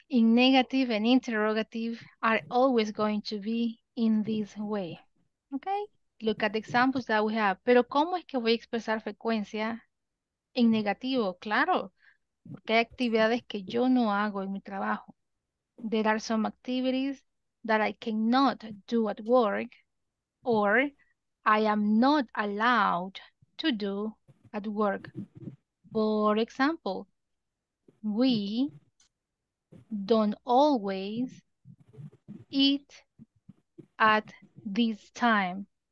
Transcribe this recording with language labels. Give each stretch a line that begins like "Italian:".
English: In negative and interrogative are always going to be in this way. Okay. Look at the examples that we have.
Spanish: Pero ¿cómo es que voy a expresar frecuencia en negativo? Claro. Porque hay actividades que yo no hago en mi trabajo.
English: There are some activities that I cannot do at work or I am not allowed to do at work. For example, we don't always eat at this time.